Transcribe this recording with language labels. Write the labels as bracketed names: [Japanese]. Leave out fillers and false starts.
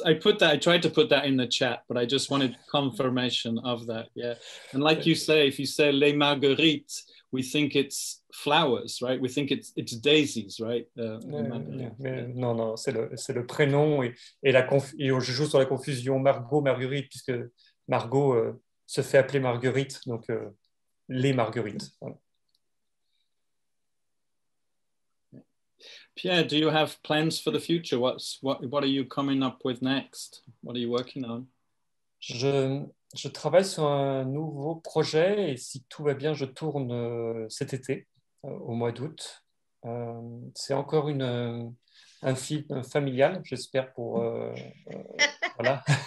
[English] I put that. I tried to put that in the chat, but I just wanted confirmation of that. Yeah, and like you say, if you say les Marguerites, we think it's flowers, right? We think it's daisies, right? [French] No, c'est le prénom et je joue sur la confusion Margot Marguerite puisque Margot se fait appeler Marguerite, donc les Marguerites. Voilà. Pierre, do you have plans for the future? What are you coming up with next? What are you working on? Je travaille sur un nouveau projet et si tout va bien, je tourne cet été, au mois d'août. C'est encore un film familial, j'espère pour voilà.